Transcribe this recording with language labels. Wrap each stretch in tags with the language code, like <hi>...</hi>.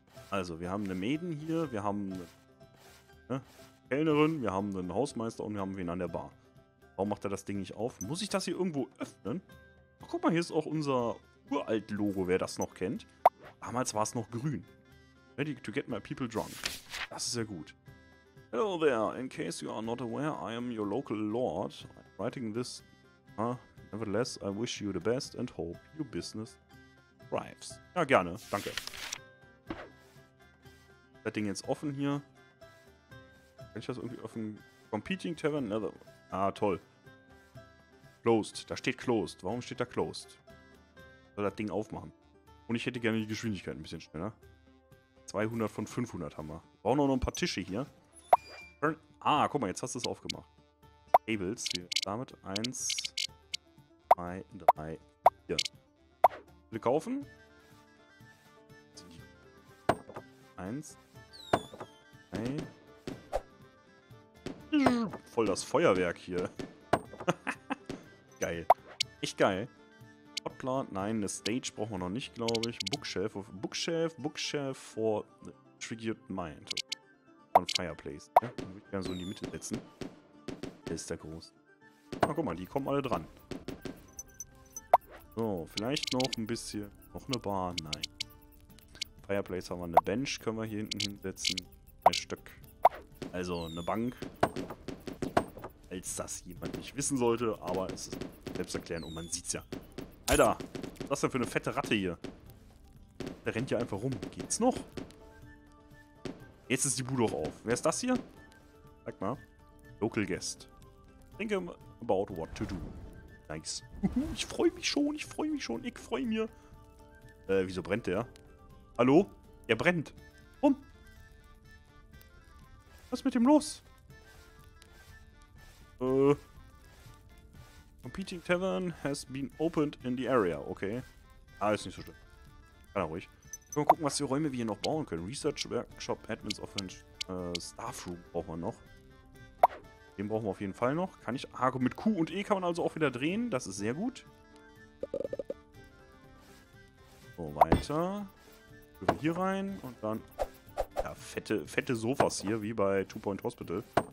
<de>Also, wir haben eine Maiden hier, wir haben eine Kellnerin, wir haben einen Hausmeister und wir haben wen an der Bar. Warum macht er das Ding nicht auf? Muss ich das hier irgendwo öffnen? Ach, guck mal, hier ist auch unser Uralt-Logo, wer das noch kennt. Damals war es noch grün.</de> <en>Ready to get my people drunk.</en> <de>Das ist ja gut.</de> <en>Hello there, in case you are not aware, I am your local lord. I'm writing this. Nevertheless, I wish you the best and hope your business thrives.</en> <de>Ja, gerne. Danke. Das Ding jetzt offen hier. Kann ich das irgendwie offen? Competing Tavern? Nether. Ah, toll. Closed. Da steht closed. Warum steht da closed? Soll das Ding aufmachen. Und ich hätte gerne die Geschwindigkeit ein bisschen schneller. 200 von 500 haben wir. Wir brauchen auch noch ein paar Tische hier. Ah, guck mal, jetzt hast du es aufgemacht. Tables. Hier. Damit 1, 2, 3, 4. Wir kaufen. 1, 2, voll das Feuerwerk hier. Geil. Echt geil. Plotplan, nein, eine Stage brauchen wir noch nicht, glaube ich.</de> <en>Bookshelf, of Bookshelf, Bookshelf for the Triggered Mind.</en> <de>Von Fireplace. Ja, dann würde ich gerne so in die Mitte setzen. Der ist der groß. Na, guck mal, die kommen alle dran. So, vielleicht noch ein bisschen. Noch eine Bar, nein. Fireplace haben wir, eine Bench können wir hier hinten hinsetzen. Ein Stück. Also, eine Bank. Als das jemand nicht wissen sollte, aber es ist selbsterklärend und man sieht's ja. Alter, was ist denn für eine fette Ratte hier? Der rennt ja einfach rum. Geht's noch? Jetzt ist die Bude auch auf. Wer ist das hier? Sag mal. Local Guest.</de> <en>Think about what to do. Nice.</en> <de>Ich freue mich schon, ich freue mich schon, ich freue mich. Wieso brennt der? Hallo? Der brennt. Rum. Was ist mit dem los?</de> <en>Competing Tavern has been opened in the area.</en> <de>Okay. Ah, ist nicht so schlimm. Kann er ruhig. Mal gucken, was für Räume wir hier noch bauen können. Research Workshop, Admins Office, Staff Room brauchen wir noch. Den brauchen wir auf jeden Fall noch. Kann ich... Ah, mit Q und E kann man also auch wieder drehen. Das ist sehr gut. So, weiter. Gehen wir hier rein und dann... Ja, fette Sofas hier, wie bei Two Point Hospital.</de>